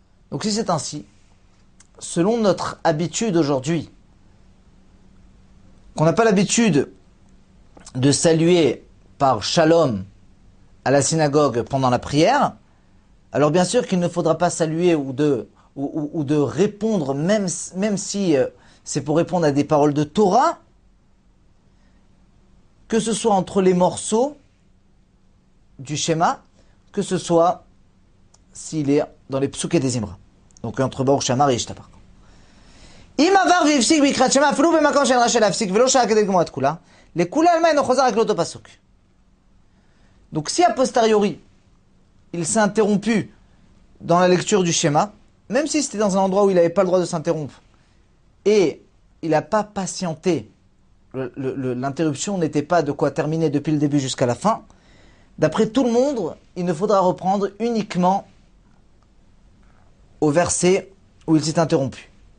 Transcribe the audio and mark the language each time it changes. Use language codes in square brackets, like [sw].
[fr] Donc si c'est ainsi, selon notre habitude aujourd'hui, qu'on n'a pas l'habitude de saluer par shalom à la synagogue pendant la prière, alors bien sûr qu'il ne faudra pas saluer ou de répondre, même si c'est pour répondre à des paroles de Torah, que ce soit entre les morceaux du schéma, que ce soit s'il est dans les psouké des Imra. Donc entre Baruch Shema et Ishtabar. [he] אם עבר והפסיק בקריאת שמע אפילו במקום שאין רשאי להפסיק ולא שעה כדי לגמור את כולה, לכולי עלמא אינו חוזר רק לאותו פסוק. [fr] Donc si a posteriori, il s'est interrompu dans la lecture du schéma, même si c'était dans un endroit où il n'avait pas le droit de s'interrompre, et il n'a pas patienté, l'interruption n'était pas de quoi terminer depuis le début jusqu'à la fin, d'après tout le monde, il ne faudra reprendre uniquement au verset où il s'est interrompu.